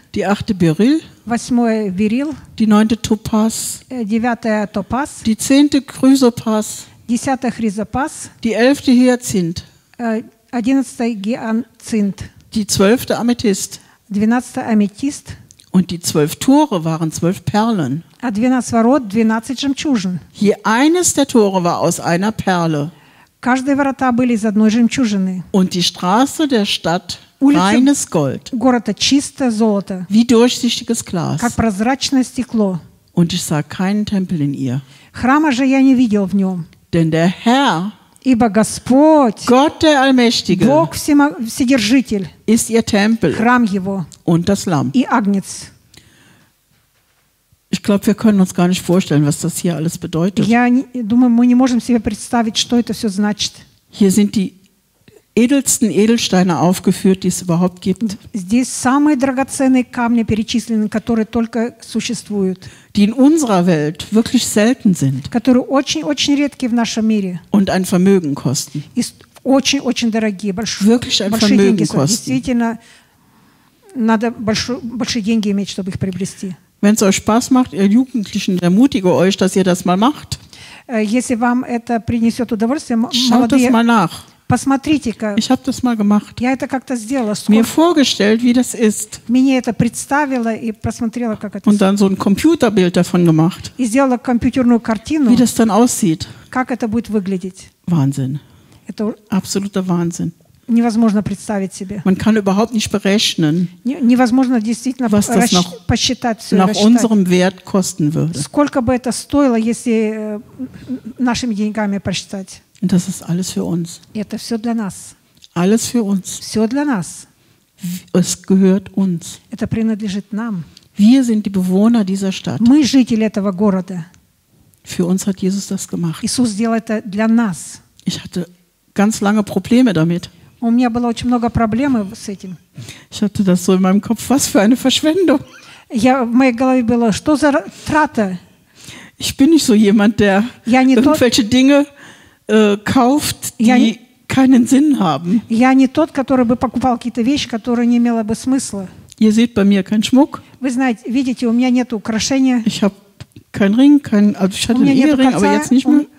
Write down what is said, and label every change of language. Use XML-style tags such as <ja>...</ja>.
<de>Die achte, Beryl.</de> <ru>Восьмое, Beryl.</ru> <de>Die neunte, Topaz.</de> <ru>Девятое, Topaz.</ru> <de>Die zehnte, Chrysopas.</de> <ru>Десятое, Chrysopas.</ru> <de>Die elfte, Hyazinth.</de> <ru>Одиннадцатое, Гиацинт.</ru> <de>Die zwölfte, Amethyst.</de> <ru>Двенадцатое, Amethyst.</ru> <de>Und die zwölf Tore waren zwölf Perlen.</de> <ru>А 12 ворот 12 жемчужин.</ru> <de>Je eines der Tore war aus einer Perle.</de> <ru>Каждые ворота были из одной жемчужины.</ru> <de>Und die Straße der Stadt reines Gold.</de> <ru>Города чистое золото.</ru> <de>Wie durchsichtiges Glas.</de> <ru>Как прозрачное стекло.</ru> <de>Und ich sah keinen Tempel in ihr.</de> <ru>Храма же я не видел в нем.</ru> <de>Denn der Herr,</de> <ru>ибо Господь,</ru> <de>Gott der Allmächtige,</de> <ru>Бог Вседержитель,</ru> <de>ist ihr Tempel,</de> <ru>храм его,</ru> <de>und das Lamm.</de> <ru>И Агнец.</ru> <de>Ich glaube, wir können uns gar nicht vorstellen, was das hier alles bedeutet.</de> <ru>Я думаю, мы не можем себе представить, что это все значит.</ru> <de>Hier sind die edelsten Edelsteine aufgeführt, die es überhaupt gibt.</de> <ru>Здесь самые драгоценные камни перечислены, которые только существуют.</ru> <de>Die in unserer Welt wirklich selten sind.</de> <ru>Которые очень-очень редки в нашем мире.</ru> <de>Und ein Vermögen kosten.</de> <ru>Очень-очень дорогие,</ru> <de>wirklich ein Vermögen kosten.</de> <ru>Действительно, надо большие деньги иметь, чтобы их приобрести.</ru> <de>Wenn es euch Spaß macht, ihr Jugendlichen, ermutige euch, dass ihr das mal macht.</de> <ru>Если вам это принесет удовольствие,</ru> <de>schaut das mal nach.</de> <ru>Посмотрите-ка.</ru> <de>Ich habe das mal gemacht.</de> <ru>Я это как-то сделала. Мне</ru> <de>vorgestellt, wie das ist.</de> <ru>Меня это представила и посмотрела, как это.</ru> <de>Und dann so ein Computerbild davon gemacht.</de> <ru>И сделала компьютерную картину.</ru> <de>Wie das dann aussieht.</de> <ru>Как это будет выглядеть?</ru> <de>Wahnsinn.</de> <ru>Это</ru> <de>absoluter Wahnsinn.</de> <ru>Невозможно представить себе.</ru> <de>Man kann überhaupt nicht berechnen.</de> <ru>Невозможно действительно посчитать,</ru> <de>nach unserem Wert kosten würde.</de> <ru>Сколько бы это стоило, если нашими деньгами посчитать?</ru> <de>Und das ist alles für uns.</de> <ru>Это все для нас.</ru> <de>Alles für uns.</de> <ru>Все для нас.</ru> <de>Es gehört uns.</de> <ru>Это принадлежит нам.</ru> <de>Wir sind die Bewohner dieser Stadt.</de> <ru>Мы жители этого города.</ru> <de>Für uns hat Jesus das gemacht.</de> <ru>Иисус сделал это для нас.</ru> <de>Ich hatte ganz lange Probleme damit.</de> <ru>У меня было очень много проблем с этим.</ru> <de>Ich hatte das so in meinem Kopf. Was für eine Verschwendung.</de> <ru>Я в моей голове было, что за трата.</ru> <de>Ich bin nicht so jemand, der irgendwelche Dinge kauft, die keinen Sinn haben.</de> <ru>Я не тот, который бы покупал какие-то вещи, которые не имело бы смысла.</ru> <de>Ihr seht bei mir keinen Schmuck.</de> <ru>Вы знаете, видите, у меня нет украшения.</ru> <de>Ich habe keinen Ring, also ich hatte einen Ehering, aber jetzt nicht mehr.</de>